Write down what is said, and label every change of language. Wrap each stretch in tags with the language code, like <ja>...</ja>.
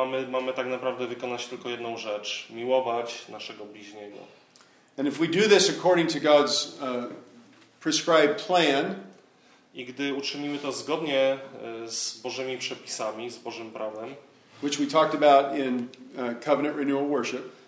<pl>Mamy tak naprawdę wykonać tylko jedną rzecz: miłować naszego bliźniego.</pl> <en>And if we do this according to God's prescribed plan,</en> <pl>i gdy uczynimy to zgodnie z Bożymi przepisami, z Bożym prawem,</pl> <en>which we talked about in covenant renewal worship,</en>